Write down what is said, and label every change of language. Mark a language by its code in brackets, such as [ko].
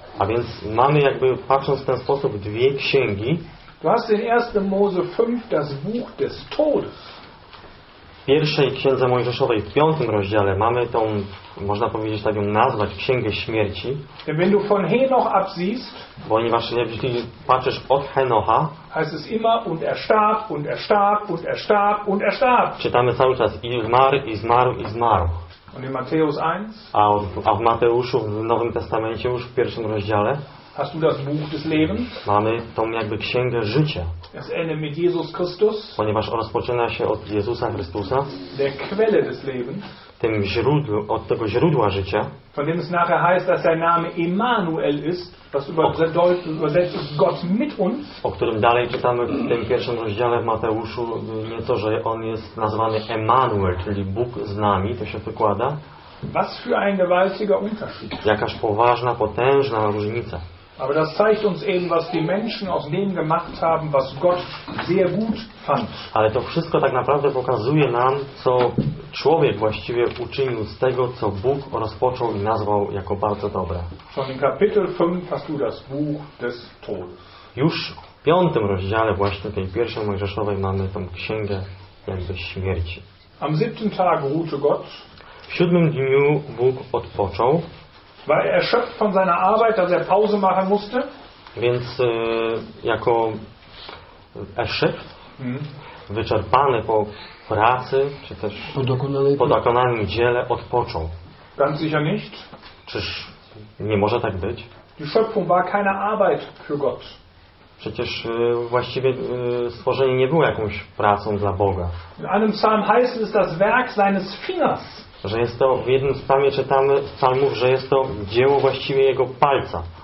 [pl] A więc mamy jakby patrząc w ten sposób dwie księgi. [de] Du hast in 1. Mose 5 das Buch des Todes. [pl] W pierwszej księdze Mojżeszowej w 5. rozdziale mamy tą, można powiedzieć tak ją nazwać, księgę śmierci. [de] Wenn du von Henoch absiehst, [pl] ponieważ jeśli patrzysz od Henocha, [de] heißt es immer und er starb und er starb und er starb und er starb. [pl] Czytamy cały czas i zmarł, i zmarł, i zmarł. [de] Und in Matthäus 1, [pl] a w Mateuszu w Nowym Testamencie już w 1. rozdziale, [de] hast du das Buch des Lebens? [pl] Mamy tą jakby księgę życia. [de] Das Ende mit Jesus Christus. [pl] Ponieważ ona rozpoczyna się od Jezusa Chrystusa. [de] Der Quelle des Lebens. [pl] Tym źródłem, od tego źródła życia. [de] Von dem es nachher heißt, dass sein Name Emmanuel ist, was übersetzt ist Gott mit uns. [pl] O którym dalej czytamy w tym pierwszym rozdziale w Mateuszu, nie to, że on jest nazwany Emmanuel, czyli Bóg z nami, to się wykłada. [de] Was für ein gewaltiger Unterschied. [pl] Jakaż poważna, potężna różnica. [de] Aber das zeigt uns eben, was die Menschen aus dem gemacht haben, was Gott sehr gut fand. [pl] Ale to wszystko tak naprawdę pokazuje nam, co człowiek właściwie uczynił z tego, co Bóg rozpoczął i nazwał jako bardzo dobre. [de] Schon im Kapitel 5 hast du das Buch des Todes. [pl] Już w 5. rozdziale właśnie tej pierwszej Mojżeszowej mamy tą księgę jakby śmierci. [de] Am 7. Tag ruhte Gott. [pl] W 7. dniu Bóg odpoczął. [de] Weil er erschöpft von seiner Arbeit, als er Pause machen musste. [pl] Więc jako [de] erschöpft, [pl] wyczerpany po pracy, czy też po dokonanym dziele, odpoczął. [de] Ganz sicher nicht. [pl] Czyż nie może tak być? [de] Die Schöpfung war keine Arbeit für Gott. [pl] Przecież właściwie stworzenie nie było jakąś pracą dla Boga. [de] In einem Psalm heißt es das Werk seines Fingers. [pl] Że jest to, w jednym z psalmów czytamy z psalmów, że jest to dzieło właściwie jego palca.